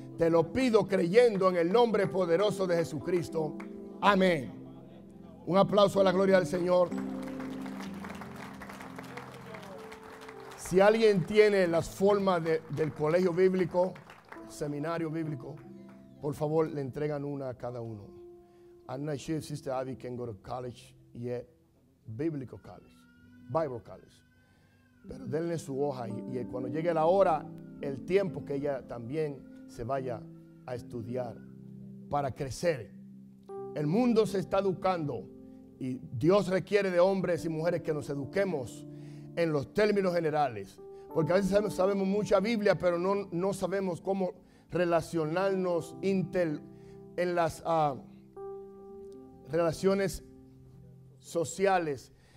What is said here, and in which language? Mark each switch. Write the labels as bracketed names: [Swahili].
[Spanish] Te lo pido creyendo en el nombre poderoso de Jesucristo. Amén. Un aplauso a la gloria del Señor. Si alguien tiene las formas del colegio bíblico, seminario bíblico, por favor le entregan una a cada uno. [English] I'm not sure if Sister Abby can go to college yet. Biblical college, Bible college. [Spanish] Pero denle su hoja y cuando llegue la hora, el tiempo que ella también se vaya a estudiar para crecer. El mundo se está educando y Dios requiere de hombres y mujeres que nos eduquemos en los términos generales, porque a veces sabemos mucha Biblia, pero no sabemos cómo relacionarnos en las relaciones sociales.